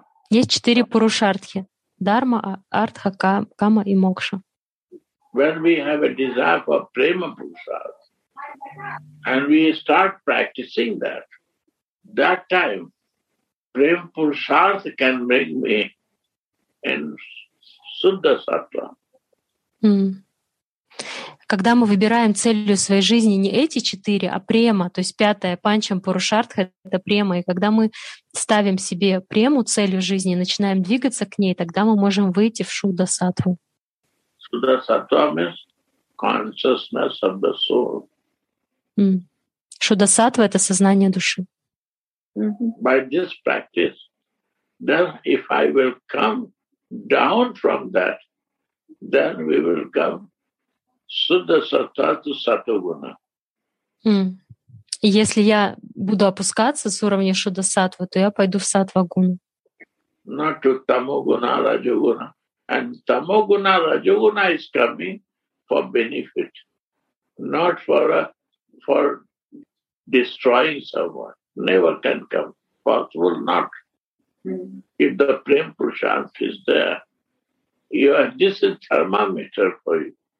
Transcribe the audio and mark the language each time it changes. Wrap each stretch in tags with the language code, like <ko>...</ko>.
<ru>Есть четыре пурушартхи. Дарма, артха, кама и мокша.</ru> <en>When we have a desire for prema purushartha and we start practicing that time prema purushartha can bring me in Shuddha Sattva.</en> <ru>Когда мы выбираем целью своей жизни не эти четыре, а према, то есть пятая панчам пурушартха — это према. И когда мы ставим себе прему, целью жизни, начинаем двигаться к ней, тогда мы можем выйти в Шудда Саттву.</ru> <en>Шудда Саттва means consciousness of the soul.</en> <ru>Шудда Саттва — это сознание души.</ru> <en>By this practice, then if I will come down from that, then we will come Shuddha Sattva to Satoguna.</en> <ru>Если я буду опускаться с уровня Шудда Саттвы, то я пойду в Сатвагуну.</ru> <en>Not to Tamoguna, Rajoguna. And Tamoguna, Rajoguna is coming for benefit, not for destroying someone. never can come, possible not. Mm-hmm. If the Prem Prashant is there, you are, this is thermometer for you.</en>